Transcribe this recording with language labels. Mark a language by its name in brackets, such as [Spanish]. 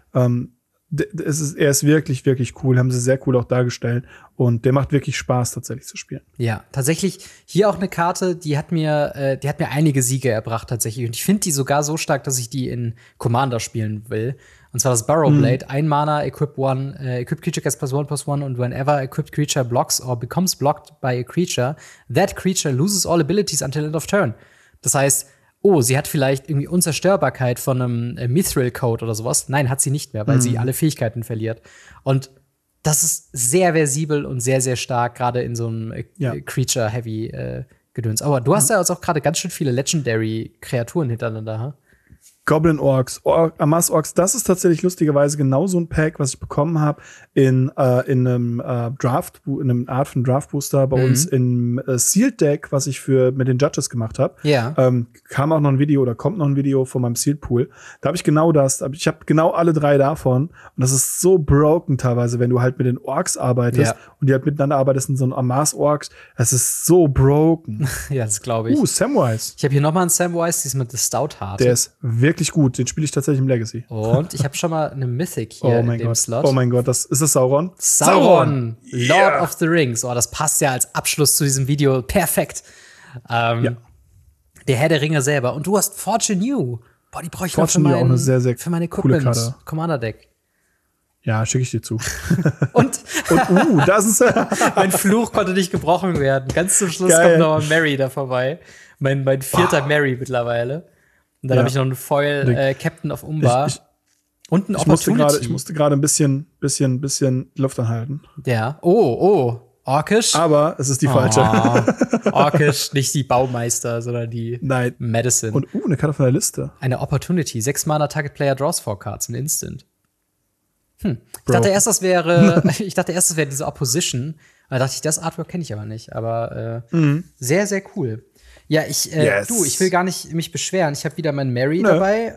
[German] Er ist wirklich, wirklich cool. Haben sie sehr cool auch dargestellt. Und der macht wirklich Spaß, tatsächlich zu spielen. Ja, tatsächlich. Hier auch eine Karte, die hat mir einige Siege erbracht, tatsächlich. Und ich finde die sogar so stark, dass ich die in Commander spielen will. Und zwar das Barrowblade. Ein Mana, [English] equip creature gets +1/+1. And whenever equipped creature blocks or becomes blocked by a creature, that creature loses all abilities until end of turn. [German] Das heißt, oh, sie hat vielleicht irgendwie Unzerstörbarkeit von einem Mithril-Code oder sowas. Nein, hat sie nicht mehr, weil sie alle Fähigkeiten verliert. Und das ist sehr versibel und sehr, sehr stark, gerade in so einem Creature-Heavy-Gedöns. Aber du hast ja also auch gerade ganz schön viele Legendary-Kreaturen hintereinander. Huh? Goblin-Orks, Amas-Orks, das ist tatsächlich lustigerweise genau so ein Pack, was ich bekommen habe in einem Art von Draft-Booster bei uns im Sealed-Deck, was ich für mit den Judges gemacht habe. Ja. Kam auch noch ein Video oder kommt noch ein Video von meinem Sealed-Pool. Da habe ich genau das. Ich habe genau alle drei davon. Und das ist so broken teilweise, wenn du halt mit den Orks arbeitest und die halt miteinander arbeitest in so einem Amas-Orks. Das ist so broken. Ja, das glaube ich. Samwise. Ich habe hier noch mal einen Samwise, die ist mit The Stoutheart. Der ist wirklich gut, den spiele ich tatsächlich im Legacy. Und ich habe schon mal eine Mythic hier im Slot. Oh mein Gott, das ist das Sauron? Sauron, Lord of the Rings. Oh, das passt ja als Abschluss zu diesem Video perfekt. Der Herr der Ringe selber. Und du hast Fortune New. Boah, die brauche ich Fortune noch für meine sehr, sehr für meine Equipment Commander Deck. Ja, schicke ich dir zu. Und? das ist mein Fluch konnte nicht gebrochen werden. Ganz zum Schluss kommt noch Mary da vorbei. Mein vierter Mary mittlerweile. Und dann habe ich noch einen Foil Captain of Umbar. Und ein Opportunity. Ich musste gerade ein bisschen Luft anhalten. Ja. Oh. Orkisch. Aber es ist die falsche. Orkisch, nicht die Baumeister, sondern die Medicine. Und eine Karte von der Liste. Eine Opportunity. [English] 6 Mana Target Player draws 4 Cards in Instant. [German] Ich dachte erst, das wäre diese Opposition. Da dachte ich, das Artwork kenne ich aber nicht. Aber sehr, sehr cool. Ja, ich will gar nicht mich beschweren. Ich habe wieder meinen Mary dabei.